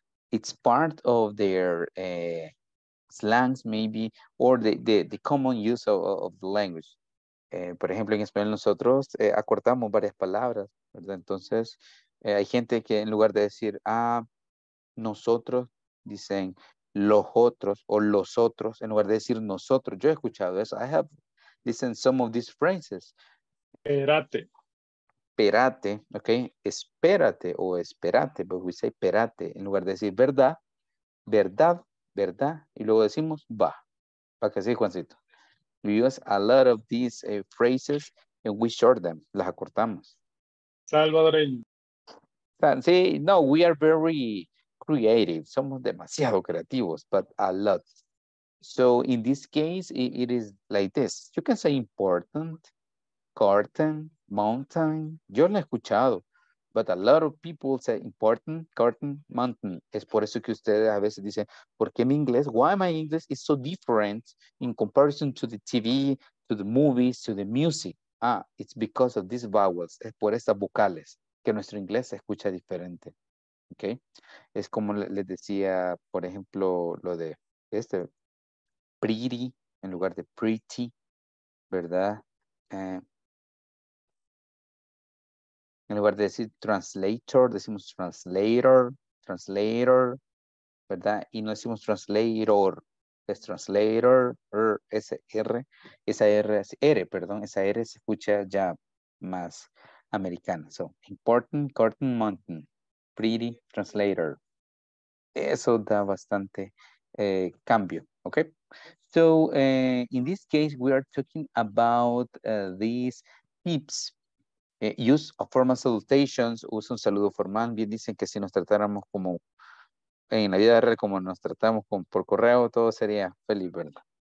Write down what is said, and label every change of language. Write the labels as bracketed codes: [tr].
[en] It's part of their slangs, maybe, or the common use of the language. [es] Por ejemplo, en español nosotros acortamos varias palabras, ¿verdad? Entonces, hay gente que en lugar de decir ah, nosotros, dicen los otros o los otros, en lugar de decir nosotros. Yo he escuchado eso. [en] I have listened some of these phrases. [es] Espérate. Espérate, ok. Espérate o espérate, [en] but we say [es] espérate. En lugar de decir verdad, verdad, verdad, y luego decimos va. ¿Para qué sí, Juancito? [en] We use a lot of these phrases and we short them. [es] Las acortamos. Salvadoreño. Sí, no, [en] we are very creative. [es] Somos demasiado creativos, [en] but a lot. So in this case, it is like this. You can say important, curtain, mountain. [es] Yo lo he escuchado, [en] but a lot of people say important, curtain, mountain. [es] Es por eso que ustedes a veces dicen, ¿por qué mi inglés? [en] Why my English is so different in comparison to the TV, to the movies, to the music? Ah, it's because of these vowels. [es] Es por estas vocales que nuestro inglés se escucha diferente. Okay. Es como les decía, por ejemplo, lo de este, pretty, en lugar de pretty, ¿verdad? En lugar de decir translator, decimos translator, translator, ¿verdad? Y no decimos translator, es translator, esa R se escucha ya más americana. [en] So, important, curtain, mountain. Pretty translator. [es] Eso da bastante cambio, okay? [en] So, in this case, we are talking about these tips. Use of formal salutations. [es] Usa un saludo formal. Bien dicen que si nos tratáramos como en la vida real, como nos tratamos con, por correo, todo sería feliz, ¿verdad?